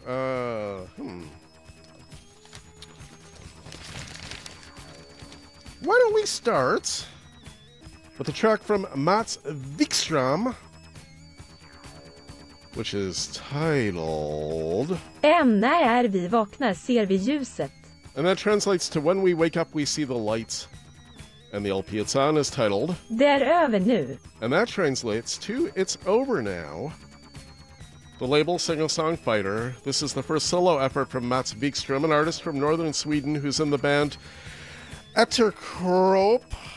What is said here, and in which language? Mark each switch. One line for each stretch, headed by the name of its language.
English: Why don't we start with a track from Mats Wikström, which is titled...
Swedish: Än när vi vaknar ser vi ljuset.
English: And that translates to When We Wake Up, We See the Light. And the LP it's on is titled...
Swedish: Det är över nu.
English: And that translates to It's Over Now. The label Singer-Songwriter. This is the first solo effort from Mats Wikström, an artist from northern Sweden who's in the band Etterkropp.